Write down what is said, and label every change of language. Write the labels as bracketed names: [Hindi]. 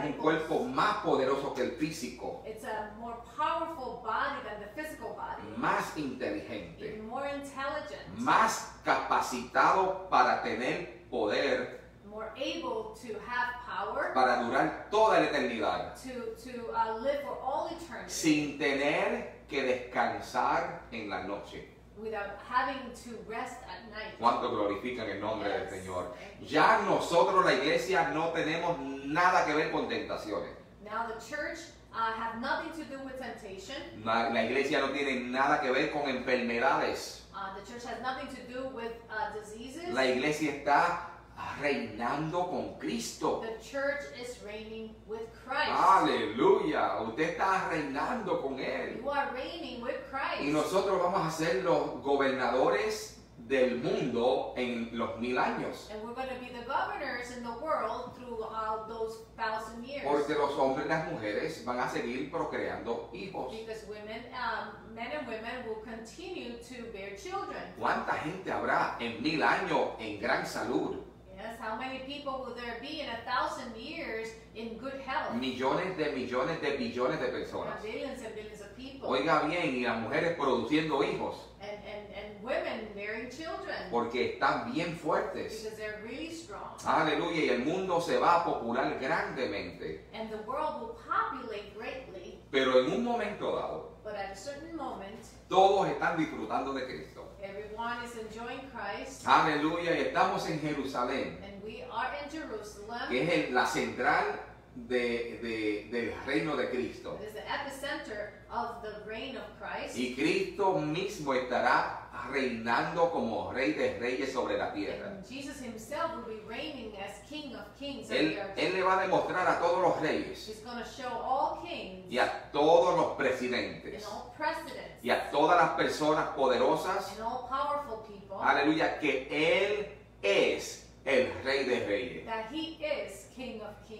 [Spanish] Es un cuerpo más poderoso que el físico. [English] It's a more powerful body than the physical body. [Spanish] Más inteligente. [English] Even more intelligent. [Spanish] Más capacitado para tener poder. [English] More able to have power. [Spanish] Para durar toda la eternidad. [English] To live for all eternity. [Spanish] Sin tener que descansar en la noche. [English] Without having to rest at night. [Spanish] ¿Cuánto glorifican el nombre [English] yes. [Spanish] del Señor? Ya nosotros la iglesia no tenemos nada que ver con tentaciones. [English] Now the church have nothing to do with temptation. [Spanish] La iglesia no tiene nada que ver con enfermedades. [English] The church has nothing to do with diseases. [Spanish] La iglesia está reinando con Cristo. [English] The church is reigning with Christ. [Spanish] Aleluya. Usted está reinando con Él. [English] You are reigning with Christ. [Spanish] Y nosotros vamos a ser los gobernadores del mundo en los 1,000 años. [English] And we're going to be the governors in the world through all those 1,000 years. [Spanish] Porque los hombres y las mujeres van a seguir procreando hijos. [English] Because women, men and women will continue to bear children. [Spanish] ¿Cuánta gente habrá en 1,000 años en gran salud? [English] That's how many people will there be in 1,000 years in good health? [Spanish] Millones de billones de personas. [English] Billions and billions of people. [Spanish] Oiga bien, y las mujeres produciendo hijos. [English] And women bearing children. [Spanish] Porque están bien fuertes. [English] Because they're really strong. [Spanish] Aleluya, y el mundo se va a popular grandemente. [English] And the world will populate greatly. [Spanish] Pero en un momento dado, [English] but at a certain moment, [Spanish] todos están disfrutando de Cristo. [English] Everyone is enjoying Christ. [Spanish] Aleluya, y estamos en Jerusalén. [English] And we are in Jerusalem. [Spanish] Que es la central del reino de Cristo. [English] It is the epicenter of the reign of Christ. [Spanish] Y Cristo mismo estará reinando como rey de reyes sobre la tierra. [English] And Jesus himself will be reigning as king of kings. [Spanish] Él le va a demostrar a todos los reyes. [English] He's going to show all kings. [Spanish] Y a todos los presidentes. [English] And all presidents. [Spanish] Y a todas las personas poderosas. [English] And all powerful people. [Spanish] Aleluya, que él es el rey de reyes. [English] That he is king of kings.